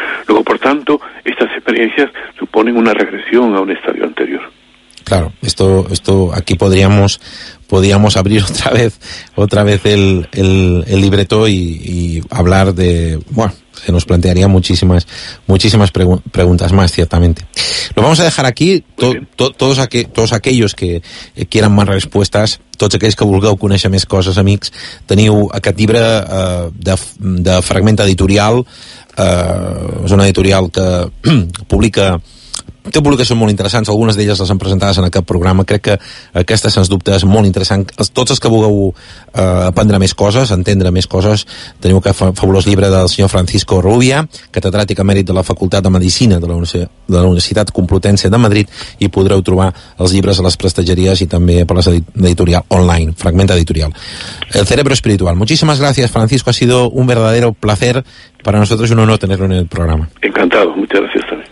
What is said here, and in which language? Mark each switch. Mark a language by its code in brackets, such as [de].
[es] Luego, por tanto, estas experiencias suponen una regresión a un estadio anterior. Claro, esto aquí podríamos abrir otra vez el libreto y hablar de, bueno, se nos plantearía muchísimas preguntas más, ciertamente. Lo vamos a dejar aquí. Todos aquellos que quieran más respuestas, [ca] tots aquells que vulgueu conèixer més coses, amics, teniu aquest llibre de Fragment Editorial. És una editorial que publica, té publicacions molt interessants, algunes d'elles les han presentades en aquest programa. Crec que aquesta, sens dubte, és molt interessant. Tots els que vulgueu aprendre més coses, entendre més coses, teniu aquest fabulós llibre del senyor Francisco Rubia, catedràtic emèrit de la Facultat de Medicina de la Universitat Complutense de Madrid, i podreu trobar els llibres a les prestatgeries i també per les editorial online, Fragment Editorial. [es] El cerebro espiritual. Muchísimas gracias, Francisco. Ha sido un verdadero placer para nosotros y un honor tenerlo en el programa. Encantado. Muchas gracias también.